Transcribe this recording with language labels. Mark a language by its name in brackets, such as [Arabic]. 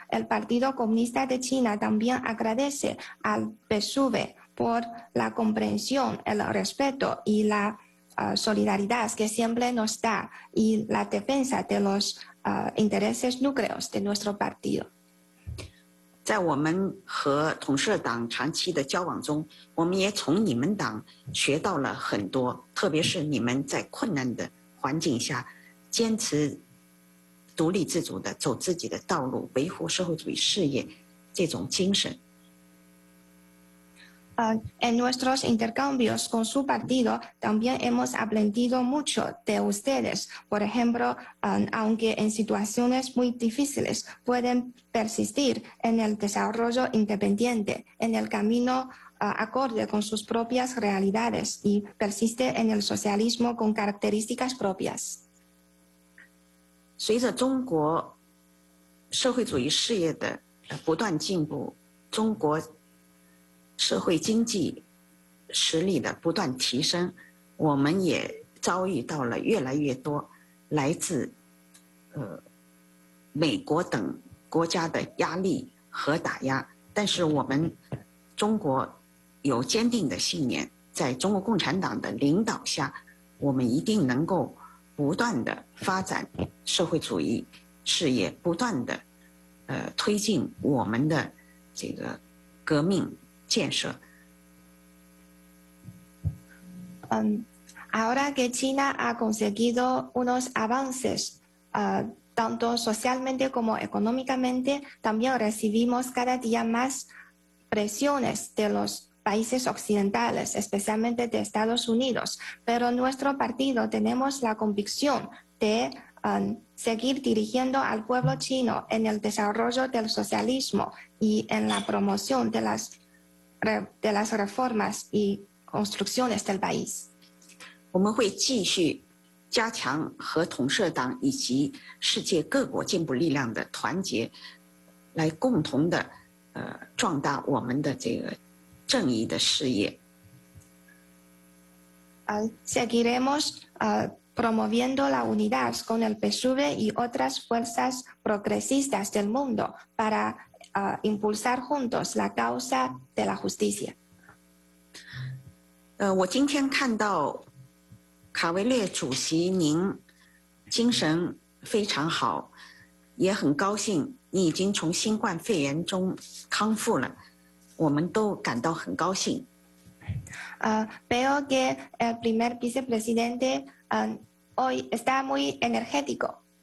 [Spanish] El Partido Comunista de China también agradece al PSUV por la comprensión, el respeto y la solidaridad que siempre nos da y la defensa de los intereses núcleos de nuestro partido. [Chinese] 在我们和同社党长期的交往中，我们也从你们党学到了很多，特别是你们在困难的环境下坚持独立自主的走自己的道路，维护社会主义事业这种精神。 [Spanish] En nuestros intercambios con su partido también hemos aprendido mucho de ustedes. Por ejemplo, aunque en situaciones muy difíciles pueden persistir en el desarrollo independiente, en el camino acorde con sus propias realidades y persiste en el socialismo con características propias. [Chinese] 随着中国社会主义事业的不断进步，中国社会经济实力的不断提升，我们也遭遇到了越来越多来自美国等国家的压力和打压，但是我们中国有坚定的信念，在中国共产党的领导下，我们一定能够不断的发展社会主义事业，不断的推进我们的这个革命建设。 [Spanish] Ahora que China ha conseguido unos avances, tanto socialmente como económicamente, también recibimos cada día más presiones de los países occidentales, especialmente de Estados Unidos. Pero nuestro partido tenemos la convicción de seguir dirigiendo al pueblo chino en el desarrollo del socialismo y en la promoción de las. De las reformas y construcciones del país. [Chinese] 我们会继续加强和同社党以及世界各国进步力量的团结，来共同的壮大我们的这个正义的事业。 [Spanish] Seguiremos promoviendo la unidad con el PSUV y otras fuerzas progresistas del mundo para. Impulsar juntos la causa de la justicia. [Chinese] 我今天看到卡维略主席您精神非常好，也很高兴你已经从新冠肺炎中康复了，我们都感到很高兴。 [Spanish] Veo que el primer vicepresidente hoy está muy energético.